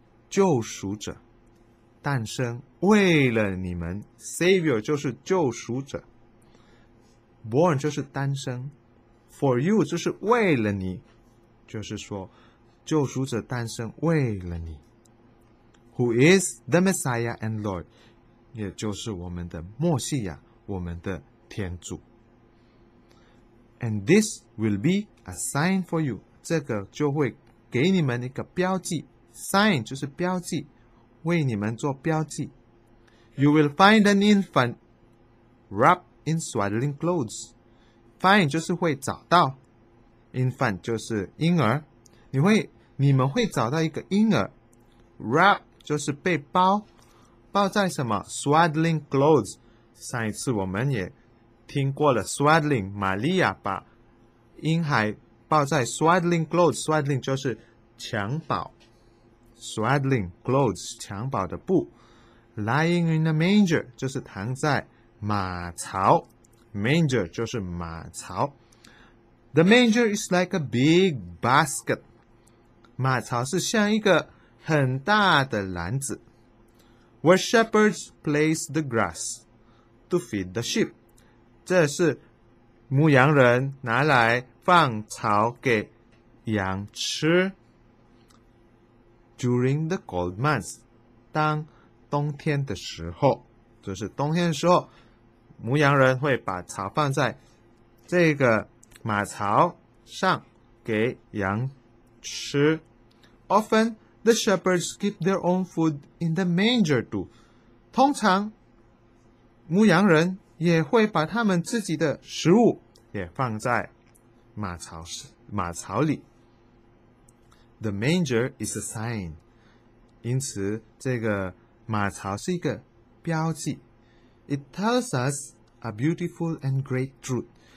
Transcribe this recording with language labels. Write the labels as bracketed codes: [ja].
[zh] 救赎者诞生为了你们 Savior 就是救赎者 Born 就是诞生 For you 就是为了你就是说救赎者诞生为了你 [en] Who is the Messiah and Lord [zh] 也就是我们的墨西亚我们的天主 [en] And this will be a sign for you. [zh] 这个就会给你们一个标记。 Sign 就是标记，为你们做标记。 [en] You will find an infant wrapped in swaddling clothes. [zh] Find 就是会找到。Infant 就是婴儿。你们会找到一个婴儿。Wrap 就是被包。包在什么 ?Swaddling clothes. 上一次我们也听过了 Swaddling, 玛利亚把婴孩包在 Swaddling clothes. Swaddling 就是襁褓。Swaddling clothes, 襁褓的布。 [en] Lying in a manger, [zh] 就是躺在马槽。 Manger 就是马槽。 [en] The manger is like a big basket. [zh] 马槽是像一个很大的篮子。 [en] Where shepherds place the grass to feed the sheep. [zh] 这是牧羊人拿来放草给羊吃。 [en] During the cold months, [zh] 当冬天的时候，就是冬天的时候，牧羊人会把草放在这个马槽上给羊吃。 [en] Often, the shepherds keep their own food in the manger too. [zh] 通常牧羊人也会把他们自己的食物也放在马槽里。 [en] The manger is a sign. [zh] 因此这个马槽是一个标记。 [en] It tells us a beautiful and great truth.